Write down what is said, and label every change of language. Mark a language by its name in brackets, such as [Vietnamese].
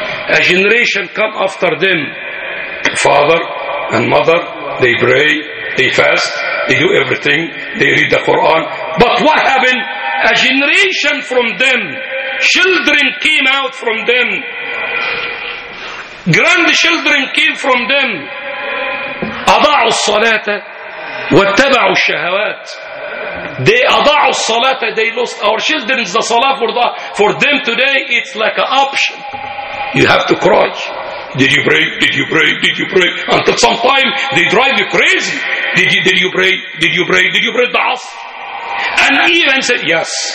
[English] A generation come after them. Father and mother, they pray, they fast, they do everything, they read the Quran. But what happened? A generation from them, children came out from them, grandchildren came from them. [Arabic] أضاعوا الصلاة واتبعوا الشهوات. [English] They [Arabic] أضاعوا الصلاة, [English] they lost our children. The صلاة for them today, it's like an option. You have to cry. Did you pray? Until some time, they drive you crazy. Did you pray the Asr? And even said, yes.